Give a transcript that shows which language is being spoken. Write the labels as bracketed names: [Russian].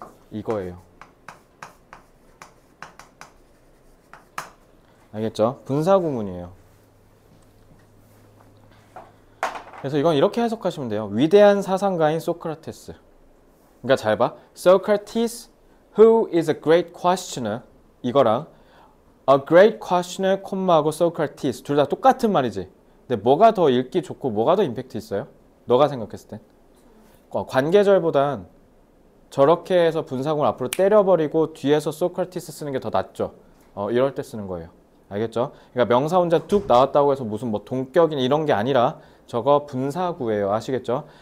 [Korean] 이거예요. 알겠죠? 분사구문이에요. 그래서 이건 이렇게 해석하시면 돼요. 위대한 사상가인 소크라테스. 그러니까 잘 봐. [English] Socrates, who is a great questioner. [Korean] 이거랑 [English] a great questioner, [Korean] 콤마하고 [English] Socrates. [Korean] 둘 다 똑같은 말이지. 근데 뭐가 더 읽기 좋고 뭐가 더 임팩트 있어요? 너가 생각했을 땐. 관계절보단 저렇게 해서 분사구문 앞으로 때려버리고 뒤에서 Socrates 쓰는 게 더 낫죠. 이럴 때 쓰는 거예요. 알겠죠? 그러니까 명사 혼자 툭 나왔다고 해서 무슨 뭐 동격이나 이런 게 아니라 저거 분사구예요. 아시겠죠?